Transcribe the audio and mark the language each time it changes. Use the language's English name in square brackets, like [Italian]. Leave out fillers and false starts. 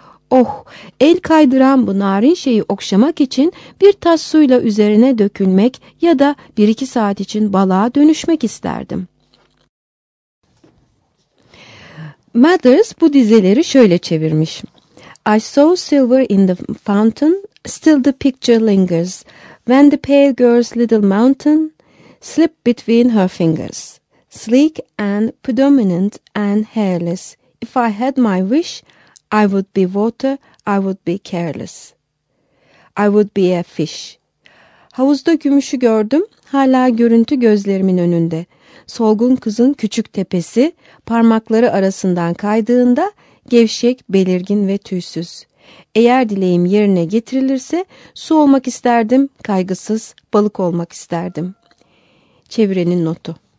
[Turkish] Oh, el kaydıran bu narin şeyi okşamak için bir tas suyla üzerine dökülmek ya da bir iki saat için balığa dönüşmek isterdim. Mathers bu dizeleri şöyle çevirmiş. [English] I saw silver in the fountain, still the picture lingers, when the pale girl's little mountain slip between her fingers, sleek and predominant and hairless. If I had my wish, I would be water, I would be careless. I would be a fish. [Turkish] Havuzda gümüşü gördüm, hala görüntü gözlerimin önünde. Solgun kızın küçük tepesi, parmakları arasından kaydığında, gevşek, belirgin ve tüysüz. Eğer dileğim yerine getirilirse, su olmak isterdim, kaygısız, balık olmak isterdim. Çevirenin notu.